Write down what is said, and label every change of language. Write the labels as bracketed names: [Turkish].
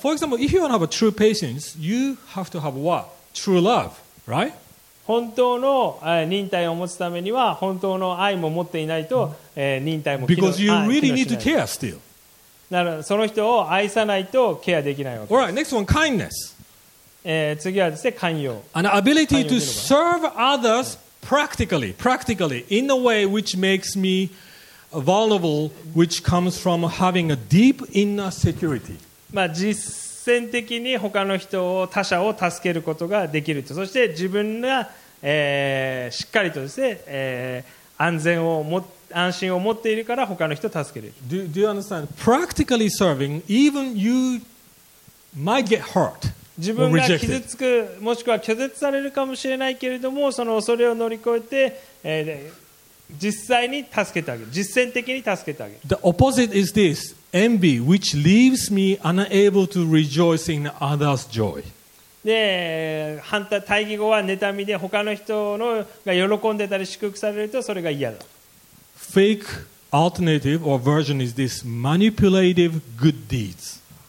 [English] For example, if you want to have a true patience, you have to have what? True love, right? [Japanese] 本当の忍耐を持つためには本当の愛も持っていないと、忍耐も機能しない。 [English] Because you really need to care still. [Japanese] なるほど。その人を愛さないとケアできないわけです。 [English] All right. Next one. Kindness. [Japanese] 次はですね、寛容。 [English] An ability to serve others. Practically, in a way which makes me vulnerable, which comes from having a deep inner security. [Japanese] まあ実践的に他の人を他者を助けることができると、そして自分が、しっかりとですね、安全を安心を持っているから他の人を助ける。 [English] Do you understand? Practically serving, even you might get hurt. [Japanese] 自分が傷つくもしくは拒絶されるかもしれないけれどもその恐れを乗り越えて、実際に助けてあげる実践的に助けてあげる [English] The opposite is this envy which leaves me unable to rejoice in others joy [Japanese] で反対対義語は妬みで他の人のが喜んでたり祝福されるとそれが嫌だ [English] Fake alternative or version is this manipulative good deeds